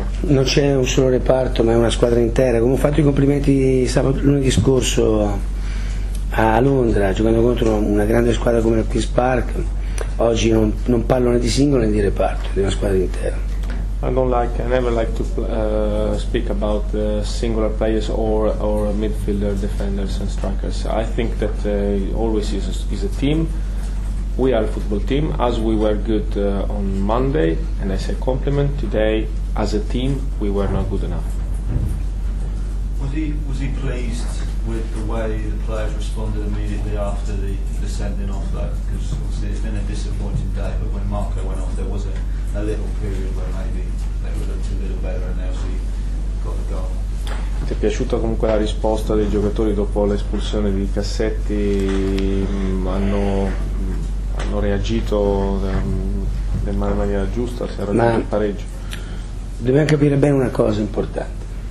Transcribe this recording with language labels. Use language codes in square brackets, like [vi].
[it] Non c'è un solo reparto, ma è una squadra intera. Come ho fatto i complimenti lunedì scorso a Londra, giocando contro una grande squadra come il Queen's Park, oggi non parlo né di singolo né di reparto, di una squadra intera. [en] I never like to speak about singular players or midfielder, defenders and strikers. I think that always is a team. We are a football team, as we were good on Monday, and I say compliment today, as a team we were not good enough. Was he pleased with the way the players responded immediately after the sending off, though? Because obviously it's been a disappointing day, but when Marco went off there was a little period where maybe they looked a little better and they also got the goal. [it] Ti è piaciuta comunque la risposta dei giocatori dopo l'espulsione di Cassetti? Hanno reagito nella maniera giusta, si è raggiunto il pareggio. Dobbiamo capire bene una cosa importante.